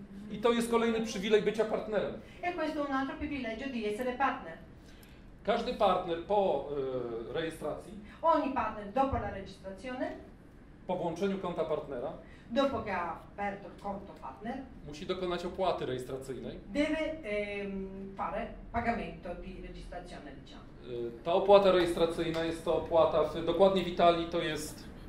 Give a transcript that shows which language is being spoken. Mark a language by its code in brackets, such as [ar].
[pl] I to jest kolejny przywilej bycia partnerem. [it] E questo è un altro privilegio di essere partner. [pl] Każdy partner po rejestracji. [it] Ogni partner dopo la registrazione. [pl] Po włączeniu konta partnera. [it] Dopo che ha aperto conto partner. [pl] Musi dokonać opłaty rejestracyjnej. [it] Deve fare pagamento di registrazione, diciamo. [pl] Ta opłata rejestracyjna jest to opłata, dokładnie w Italii to jest